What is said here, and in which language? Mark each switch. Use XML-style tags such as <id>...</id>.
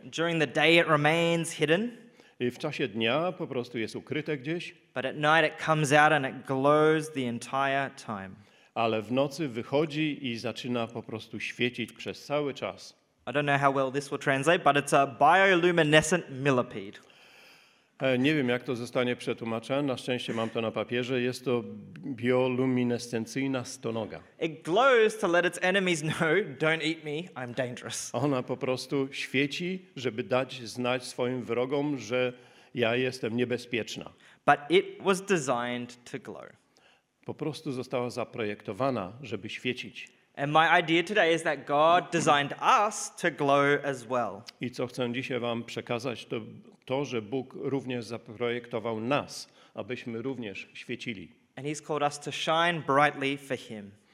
<en>During the day it remains hidden.</en> <pl>I w czasie dnia po prostu jest ukryte gdzieś.</pl> <en>But at night it comes out and it glows the entire time.</en> <pl>ale w nocy wychodzi i zaczyna po prostu świecić przez cały czas.</pl> <en>I don't know how well this will translate, but it's a bioluminescent millipede.</en> <pl>Nie wiem, jak to zostanie przetłumaczone. Na szczęście mam to na papierze. Jest to bioluminescencyjna stonoga.</pl> <en>It glows to let its enemies know, don't eat me, I'm dangerous.</en> <pl>Ona po prostu świeci, żeby dać znać swoim wrogom, że ja jestem niebezpieczna.</pl> <en>But it was designed to glow.</en> <pl>Po prostu została zaprojektowana, żeby świecić.</pl> <en>And my idea today is that God designed us to glow as well.</en> <pl>I co chcę dzisiaj wam przekazać, to to, że Bóg również zaprojektował nas, abyśmy również świecili.</pl> <en>And he's called us to shine brightly for him.</en>